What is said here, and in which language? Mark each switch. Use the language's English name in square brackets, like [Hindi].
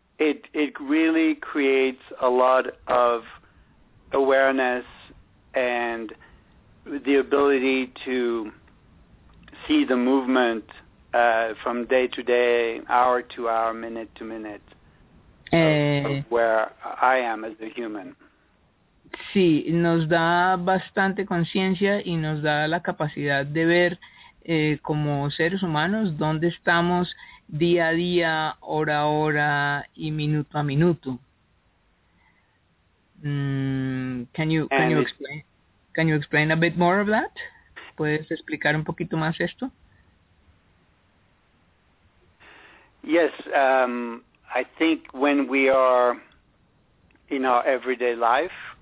[English] it really creates a lot of awareness and the ability to see the movement from day to day, hour to hour, minute to minute of where I am as a human. [Spanish] Sí, nos da bastante conciencia y nos da la capacidad de ver como seres humanos dónde estamos día a día, hora a hora y minuto a minuto. [English] Can you And explain? Can you explain a bit more of that? [Spanish] ¿Puedes explicar un poquito más esto? [English] yes, I think when we are in our everyday life,